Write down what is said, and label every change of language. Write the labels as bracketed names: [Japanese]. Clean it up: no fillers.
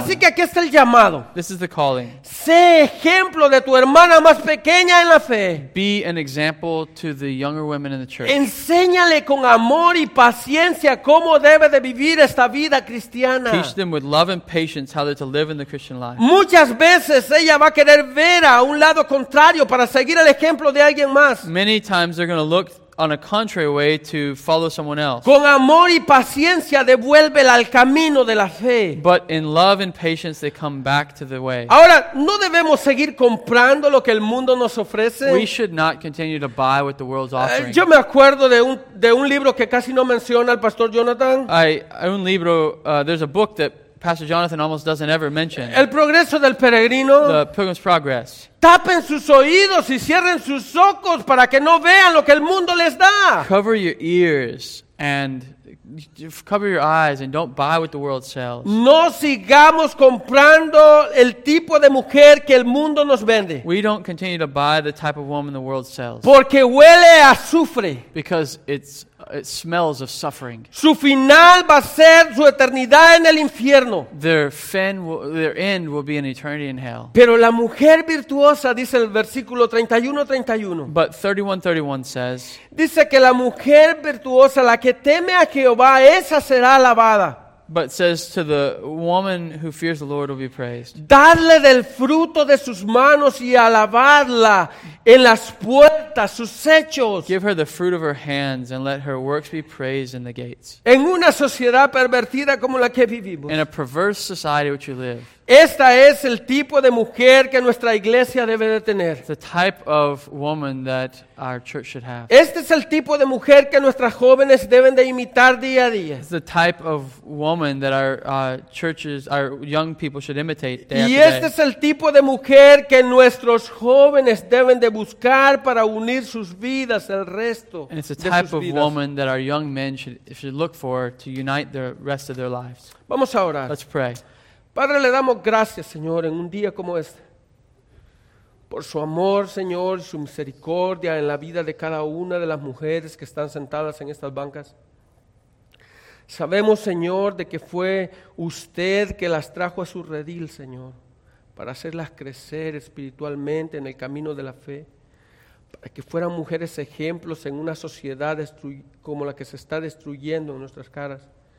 [Spanish] Así que aquí está el llamado. [English] This is the calling. [Spanish] Sé ejemplo de tu hermana más pequeña en la fe. [English] Be an example to the younger women in the church. [Spanish] Enséñale con amor y paciencia cómo debe de vivir esta vida cristiana. [English] Teach them with love and patience how they're to live in the Christian life. [Spanish] Muchas veces ella va a querer ver a un lado contrario para seguir el ejemplo de alguien más. [English] Many times they're going to look on a contrary way to follow someone else. [Spanish] Con amor y paciencia devuélvela al camino de la fe. [English] But in love and patience they come back to the way. [Spanish] Ahora, ¿no debemos seguir comprando lo que el mundo nos ofrece? [English] We should not continue to buy what the world's offering. [Spanish] Yo me acuerdo de un libro que casi no menciona el pastor Jonathan. [English] There's a book that Pastor Jonathan almost doesn't ever mention. [Spanish] El progreso del peregrino. [English] The Pilgrim's Progress. [Spanish] Tapen sus oídos y cierren sus ojos para que no vean lo que el mundo les da. [English] Cover your ears and cover your eyes and don't buy what the world sells. [Spanish] No sigamos comprando el tipo de mujer que el mundo nos vende. [English] We don't continue to buy the type of woman the world sells. [Spanish] Porque huele a azufre. [English] Because it smells of suffering. [Spanish] Su final va a ser su eternidad en el infierno. [English] Their end will be an eternity in hell. [Spanish] Pero la mujer virtuosa, dice el versículo 31-31. [English] But 31-31 says. [Spanish] Dice que la mujer virtuosa, la que teme a Jehová, esa será alabada. [English] But says to the woman who fears the Lord will be praised. [Spanish] Dadle del fruto de sus manos y alabadla en las puertas, sus hechos. [English] Give her the fruit of her hands and let her works be praised in the gates. [Spanish] En una sociedad pervertida como la que vivimos. [English] In a perverse society which you live. [Spanish] Esta es el tipo de mujer que nuestra iglesia debe de tener. [English] The type of woman that our church should have. [Spanish] Este es el tipo de mujer que nuestras jóvenes deben de imitar día a día. [English] It's the type of woman that our young people should imitate day after day. [Spanish] Y este es el tipo de mujer que nuestros jóvenes deben de buscar para unir sus vidas al resto. [English] And it's the type of woman that our young men should look for to unite the rest of their lives. [Spanish] Vamos a orar. [English] Let's pray. [Spanish] Padre, le damos gracias, Señor, en un día como este, por su amor, Señor, y su misericordia en la vida de cada una de las mujeres que están sentadas en estas bancas. Sabemos, Señor, de que fue usted que las trajo a su redil, Señor, para hacerlas crecer espiritualmente en el camino de la fe, para que fueran mujeres ejemplos en una sociedad como la que se está destruyendo en nuestras caras.